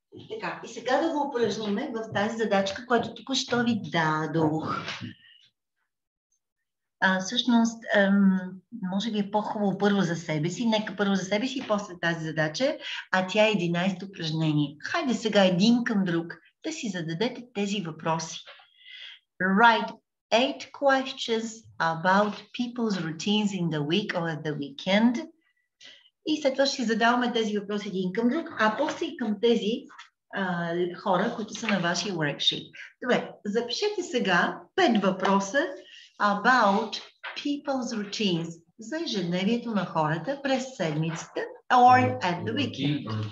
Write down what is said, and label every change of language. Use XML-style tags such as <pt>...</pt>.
<bg>Така, и сега да го упражним в тази задачка, която току-що ви дадох. Всъщност, може би е по-хубаво първо за себе си. Нека първо за себе си и после тази задача, а тя е 11 упражнение. Хайде сега един към друг да си зададете тези въпроси.</bg> <en>Write 8 questions about people's routines in the week or at the weekend.</en> <bg>И след това ще си задаваме тези въпроси един към друг, а после и към тези хора, които са на вашия worksheet. Добре, запишете сега 5 въпроса</bg> <en>about people's routines,</en> <bg>за ежедневието на хората през седмицата</bg> <en>or at the weekend.</en>